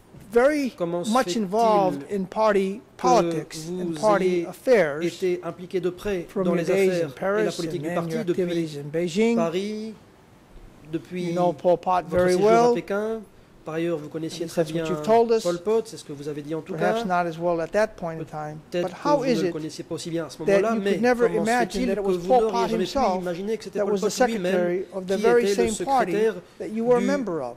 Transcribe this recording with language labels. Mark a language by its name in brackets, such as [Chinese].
[English] very much involved in party politics and party affairs from your days in Paris and your activities in Beijing. You know Pol Pot very well. [French] Par ailleurs, vous connaissiez très bien Pol Pot, c'est ce que vous avez dit en tout [English] perhaps [French] cas. [English] Not as well at that point in time. [French] Peut-être [English] but how is it that you could never imagine that it was Pol Pot himself that was the secretary of the very same party that you were a member of?